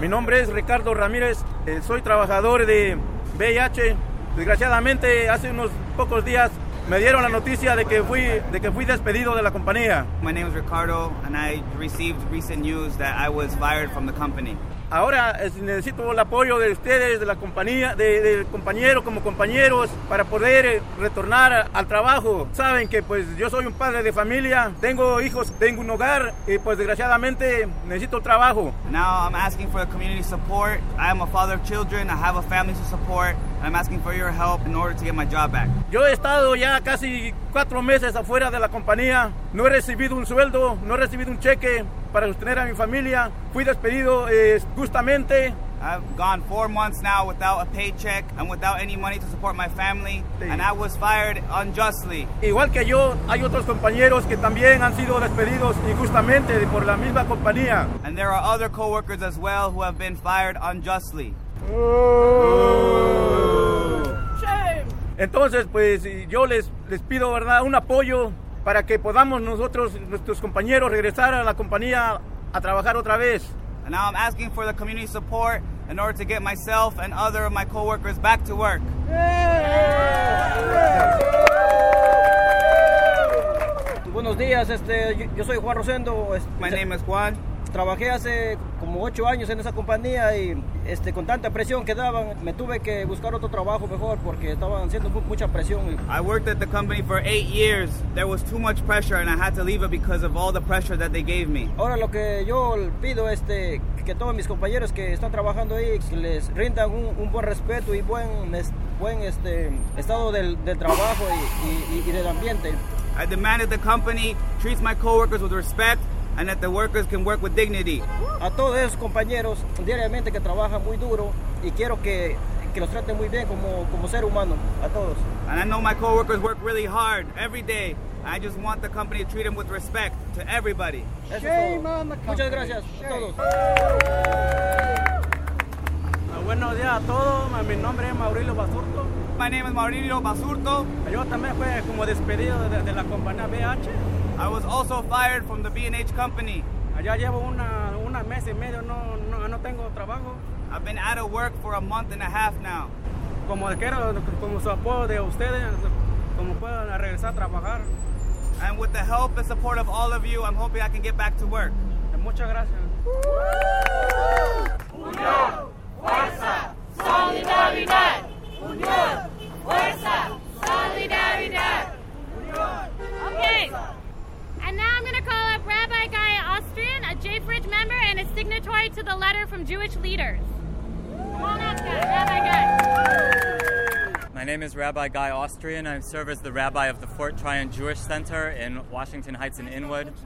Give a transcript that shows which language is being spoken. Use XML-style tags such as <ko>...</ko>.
<es>Mi nombre es Ricardo Ramirez. Soy trabajador de VIH. Desgraciadamente, hace unos pocos días me dieron la noticia de que fui despedido de la compañía.</es> <en>My name is Ricardo and I received recent news that I was fired from the company.</en> <es>Ahora necesito el apoyo de ustedes, de la compañía, del compañero como compañeros para poder retornar al trabajo. Saben que pues yo soy un padre de familia, tengo hijos, tengo un hogar y pues desgraciadamente necesito trabajo.</es> <en>Now I'm asking for the community support. I am a father of children, I have a family to support. I'm asking for your help in order to get my job back.</en> <es>Yo he estado ya casi 4 meses afuera de la compañía, no he recibido un sueldo, no he recibido un cheque para sostener a mi familia. Fui despedido justamente.</es> <en>I've gone 4 months now without a paycheck and without any money to support my family, sí. And I was fired unjustly.</en> <es>Igual que yo, hay otros compañeros que también han sido despedidos injustamente por la misma compañía.</es> <en>And there are other coworkers as well who have been fired unjustly. Oh. Shame.</en> <es>Entonces, pues yo les pido, ¿verdad?, un apoyo para que podamos nosotros, nuestros compañeros, regresar a la compañía a trabajar otra vez.</es> <en>And now I'm asking for the community support in order to get myself and other of my coworkers back to work.</en> <es>Buenos días, yo soy Juan Rosendo.</es> <en>My name is Juan.</en> <es>Trabajé hace como 8 años en esa compañía y con tanta presión que daban, me tuve que buscar otro trabajo mejor porque estaban haciendo mucha presión.</es> <en>I worked at the company for 8 years. There was too much pressure and I had to leave it because of all the pressure that they gave me.</en> <es>Ahora lo que yo pido es que todos mis compañeros que están trabajando ahí les rindan un buen respeto y buen estado del trabajo y del ambiente.</es> <en>I demand that the company treats my coworkers with respect and that the workers can work with dignity.</en> <es>A todos esos compañeros diariamente que trabajan muy duro y quiero que los traten muy bien como ser humano, a todos.</es> <en>And I know my coworkers work really hard every day. I just want the company to treat them with respect to everybody. Shame on the company.</en> <es>Muchas gracias. Shame. A todos. Buenos días a todos. Mi nombre es Maurilio Basurto.</es> <en>My name is Maurilio Basurto.</en> <es>Yo también fui como despedido de la compañía VIH.</es> <en>I was also fired from the B&H company.</en> <es>Allá llevo una mes y medio, no tengo trabajo.</es> <en>I've been out of work for a month and a half now.</en> <es>Como quiero, como su apoyo de ustedes, como puedan regresar a trabajar.</es> <en>And with the help and support of all of you, I'm hoping I can get back to work.</en> <es>Muchas gracias. Unión, fuerza, solidaridad. Unión, fuerza, solidaridad. Unión, fuerza.</es> <en>And now I'm going to call up Rabbi Guy Ostrian, a JFridge member and a signatory to the letter from Jewish leaders. Come on up, guys. Rabbi Guy. My name is Rabbi Guy Ostrian. I serve as the rabbi of the Fort Tryon Jewish Center in Washington Heights and Inwood.</en>